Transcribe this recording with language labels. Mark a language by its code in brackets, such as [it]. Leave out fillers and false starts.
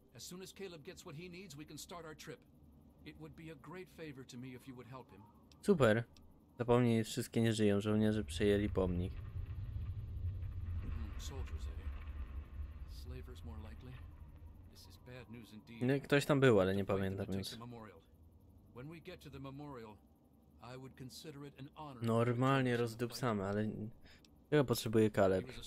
[en] As soon as Caleb gets what he needs, we can start our trip. It would be a great favor to me if you would help him. [pl] Super. Zapomnij, wszystkie nie żyją. Żołnierze przejęli pomnik. [en] Soldiers, eh? Slavers more likely. This is bad news indeed. [pl] No, ktoś tam był, ale nie pamiętam więc. [en] When we get to the memorial, I would consider it an honor. [pl] Normalnie rozdupsamy, ale czego potrzebuje Caleb?